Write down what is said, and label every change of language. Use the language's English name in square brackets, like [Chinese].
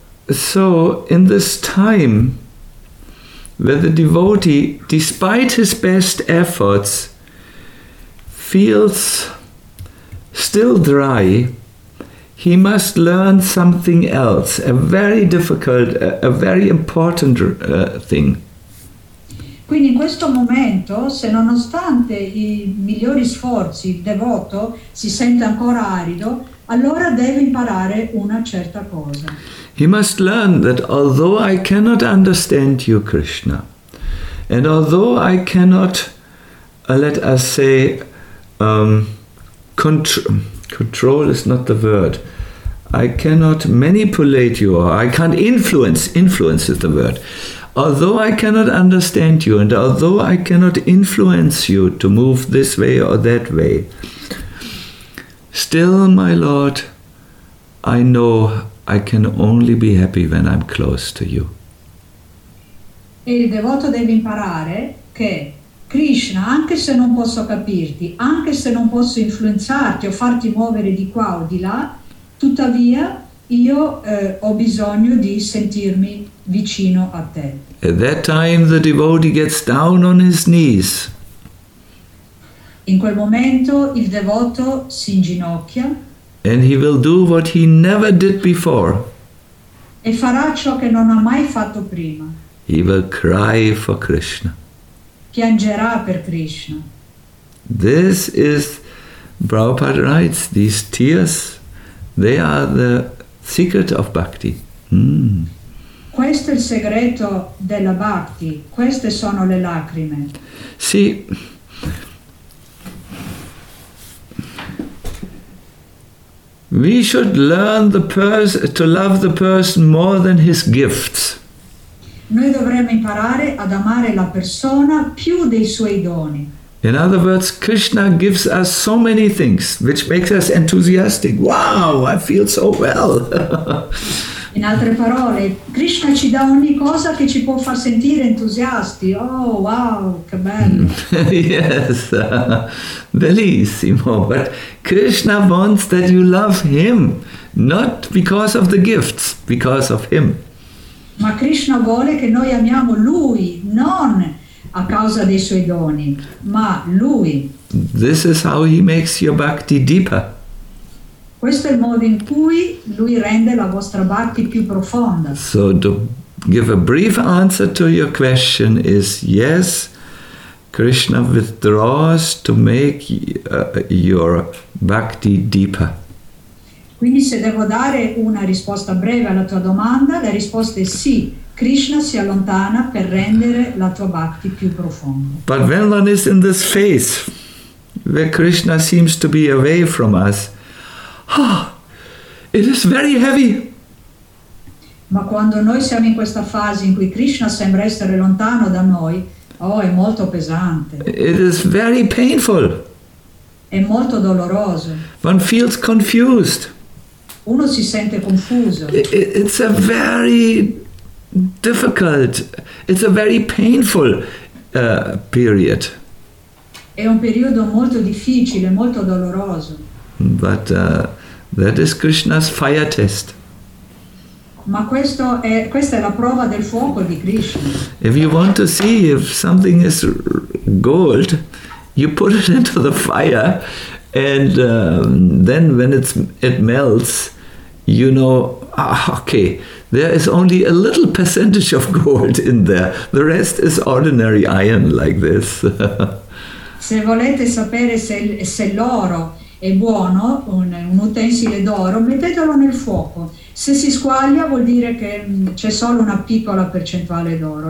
[English] So in this time where the devotee, despite his best efforts, feels still dry, he must learn something else, a very difficult, a very important thing. [Italian] Quindi in questo momento, se nonostante i migliori sforzi, il devoto si sente ancora arido, allora deve imparare una certa cosa. [English] He must learn that although I cannot understand you, Krishna, and although I cannot, let us say, control is not the word, I cannot manipulate you, or I can't influence is the word. Although I cannot understand you, and although I cannot influence you to move this way or that way, still, my Lord, I know I can only be happy when I'm close to you. [Italian] Il devoto deve imparare che Krishna, anche se non posso capirti, anche se non posso influenzarti o farti muovere di qua o di là, tuttavia io ho bisogno di sentirmi vicino a te. [English] At that time the devotee gets down on his knees. [Italian] In quel momento il devoto si inginocchia. [English] And he will do what he never did before. [Italian] E farà ciò che non ha mai fatto prima. [English] He will cry for Krishna. [Italian] Piangerà per Krishna. [English] This is, Prabhupada writes, these tears, they are the secret of bhakti. [Italian] Questo è il segreto della bhakti. Queste sono le lacrime. Sì. [English] We should learn to love the person more than his gifts. [Italian] Noi dovremmo imparare ad amare la persona più dei suoi doni. [English] In other words, Krishna gives us so many things, which makes us enthusiastic. Wow, I feel so well. [Italian] In altre parole, Krishna ci dà ogni cosa che ci può far sentire entusiasti. Oh, wow, che bello. Yes, bellissimo. [English] But Krishna wants that you love him, not because of the gifts, because of him. [Italian] Ma Krishna vuole che noi amiamo lui, non a causa dei suoi doni, ma lui. [English] This is how he makes your bhakti deeper. [Italian] Questo è il modo in cui lui rende la vostra bhakti più profonda. [English] So to give a brief answer to your question is yes, Krishna withdraws to make your bhakti deeper. [Italian] Quindi se devo dare una risposta breve alla tua domanda, la risposta è sì, Krishna si allontana per rendere la tua bhakti più profonda. [English] But when one is in this phase where Krishna seems to be away from us, It is very heavy. [Italian] Ma quando noi siamo in questa fase in cui Krishna sembra essere lontano da noi, è molto pesante. [English] It is very painful. [Italian] È molto doloroso. [English] One feels confused. [Italian] Uno si sente confuso. [English] It's a very difficult. It's a very painful period. [Italian] È un periodo molto difficile, molto doloroso. [English] But that is Krishna's fire test. [Italian] Ma questa è la prova del fuoco di Krishna. [English] If you want to see if something is gold, you put it into the fire, and then when it melts, you know, okay, there is only a little percentage of gold in there. The rest is ordinary iron like this. [Italian] Se volete sapere se l'oro è buono, un utensile d'oro, mettetelo nel fuoco. Se si squaglia vuol dire che c'è solo una piccola percentuale d'oro.